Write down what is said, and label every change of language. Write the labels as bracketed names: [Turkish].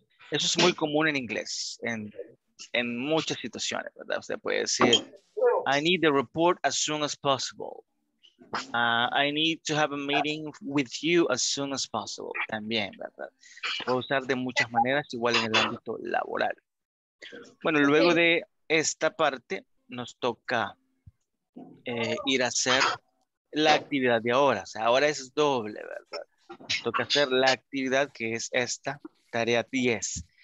[Spanish] Eso es muy común en inglés, en muchas situaciones, ¿verdad? Usted puede decir, [English] I need the report as soon as possible. I need to have a meeting with you as soon as possible. [Spanish] También, ¿verdad? Puedo usar de muchas maneras, igual en el ámbito laboral. Bueno, luego de esta parte, nos toca ir a hacer la actividad de ahora. O sea, ahora es doble, ¿verdad? Nos toca hacer la actividad que es esta, tarea 10.